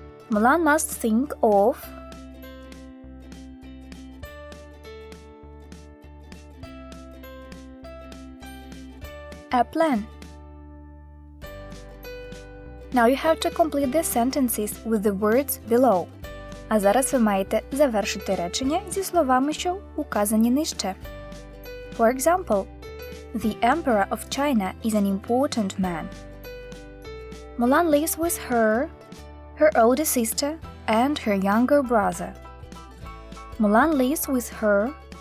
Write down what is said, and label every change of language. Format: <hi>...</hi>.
<en>Mulan must think of a plan. Now you have to complete the sentences with the words below.</en> <uk>А зараз ви маєте завершити речення зі словами, що указані нижче.</uk> <en>For example, the emperor of China is an important man. Mulan lives with her older sister and her younger brother. Mulan lives with her.</en>